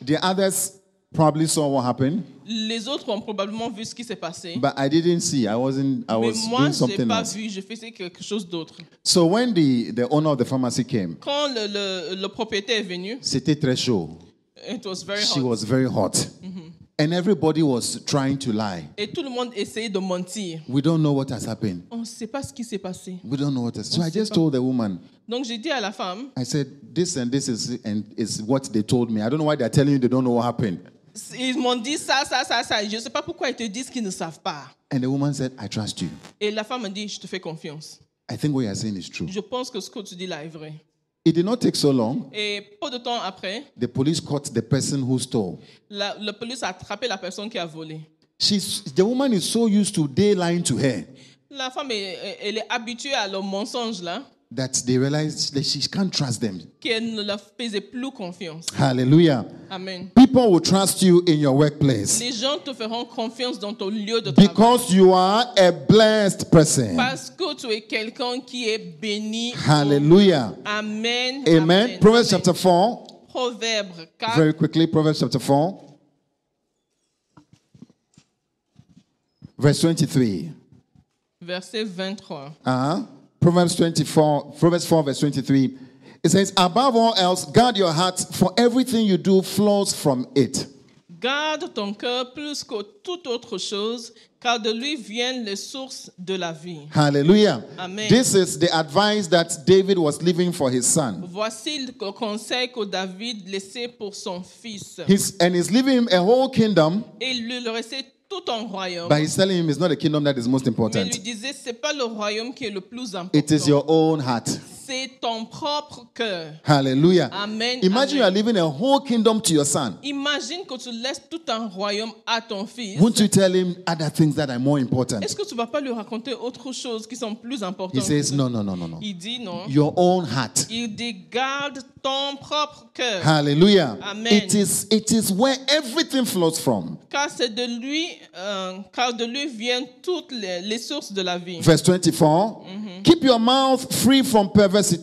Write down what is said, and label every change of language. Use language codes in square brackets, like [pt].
[en] The others probably saw what happened. [fr] Les autres ont probablement vu ce qui s'est passé. [en] But I didn't see. [fr] Je faisais quelque chose d'autre. [en] So when the owner of the pharmacy came, [fr] quand le propriétaire est venu, c'était très chaud. [en] It was very hot. She was very hot. Mm-hmm. And everybody was trying to lie. [fr] Et tout le monde essayait de mentir. [en] We don't know what has happened. [fr] On sait pas ce qui s'est passé. [en] We don't know what has. So I just told the woman. [fr] Donc j'ai dit à la femme. [en] I said this is what they told me. I don't know why they're telling you they don't know what happened. [fr] Ils m'ont dit ça. Je ne sais pas pourquoi ils te disent qu'ils ne savent pas. [en] And the woman said, I trust you. [fr] Et la femme a dit, je te fais confiance. [en] I think what you are saying is true. [fr] Je pense que ce que tu dis là est vrai. [en] It did not take so long. [fr] Et peu de temps après, [en] the police caught the person who stole. [fr] La police a attrapé la personne qui a volé. [en] The woman is so used to they lying to her. [fr] La femme elle est habituée à leur mensonge là. [en] That they realize that she can't trust them. [fr] Qu'elle ne leur faisait plus confiance. [en] Hallelujah. Amen. People will trust you in your workplace. [fr] Les gens te feront confiance dans ton lieu de [en] because [fr] travail. [en] Because you are a blessed person. [fr] Parce que tu es quelqu'un qui est béni. [en] Hallelujah. Amen. Amen. Amen. Proverbs Amen. Chapter 4. [fr] Proverbe 4. [en] Very quickly, Proverbs chapter 4. Verse 23. [fr] Verset 23. [en] Proverbs 4:23. It says, above all else, guard your heart, for everything you do flows from it. [fr] Garde ton cœur plus que toute autre chose, car de lui viennent les sources de la vie. [en] Hallelujah. Amen. This is the advice that David was leaving for his son. [fr] Voici le conseil que David laissait pour son fils. [en] He's leaving him a whole kingdom. [fr] Et lui restait tout un royaume. [en] But he's telling him it's not the kingdom that is most important. [fr] Mais lui disait, c'est pas le royaume qui est le plus important. [en] It is your own heart. [fr] C'est ton propre cœur. [en] Hallelujah. Amen. Imagine You are leaving a whole kingdom to your son. [fr] Imagine que tu laisses tout un royaume à ton fils. [en] Won't you tell him other things that are more important? [fr] Est-ce que tu vas pas lui raconter autre chose qui sont plus importantes? [en] He says no. [fr] Il dit non. [en] Your own heart. [fr] Il dit garde ton propre cœur. [en] Hallelujah. Amen. It is where everything flows from. [fr] Car c'est de lui viennent toutes les sources de la vie. [en] Verse 24. Mm-hmm. Keep your mouth free from perversity.